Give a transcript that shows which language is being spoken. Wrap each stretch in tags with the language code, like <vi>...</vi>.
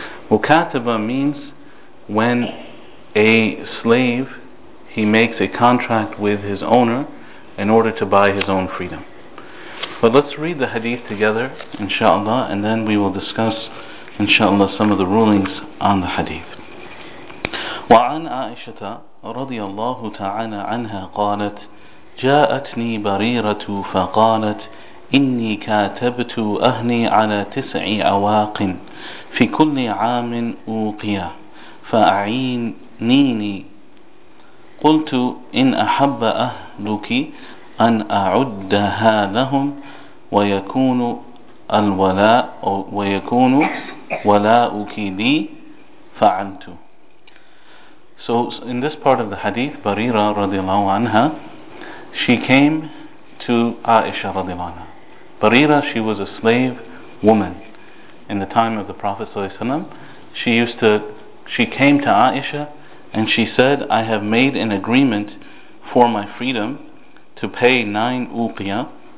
<en>Mukataba means when a slave, he makes a contract with his owner in order to buy his own freedom. But let's read the hadith together, inshallah, and then we will discuss, inshallah, some of the rulings on the hadith.</en> <ar>وعن عائشة رضي الله تعالى عنها قالت جاءتني بريرة فقالت إني كاتبت أهني على 9 أواق في كل عام أوقيا فأعينيني. قلت إن أحب أهلك أن أعدها لهم ويكون الولاء ويكون ولاؤك لي فعلت.</ar> <en>So in this part of the hadith, Barira radiallahu anha, she came to Aisha radiallahu anha. Barira, she was a slave woman in the time of the Prophet sallallahu alaihi wasallam. She came to Aisha and she said, I have made an agreement for my freedom to pay 9 uqiyah.</en>